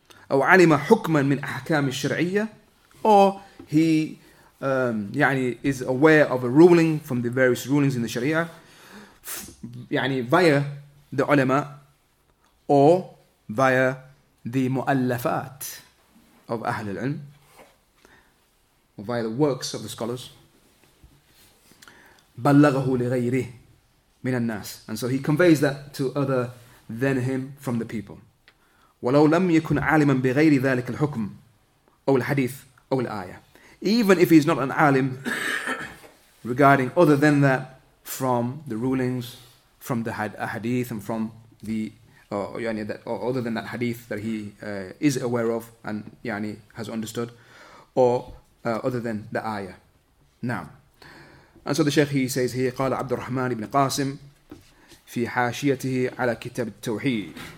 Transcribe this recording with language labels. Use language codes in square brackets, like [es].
[ar] أو علم حكما من أحكام الشرعية, [en] or he is aware of a ruling from the various rulings in the Sharia, يعني via the ulama, or via the mu'allafat of Ahl al-Ilm, or via the works of the scholars. [ar] بلغه لغيره من الناس. [en] And so he conveys that to other than him from the people. [ar] ولو لم يكن عالما بغير ذلك الحكم أو الحديث أو الآية. [en] Even if he's not an alim regarding other than that from the rulings, from the hadith, and from the other than that hadith that he is aware of and yani has understood, or other than the ayah. Now, and so the Shaykh, he says here, [ar] قال عبد الرحمن بن قاسم في حاشيته على كتاب التوحيد.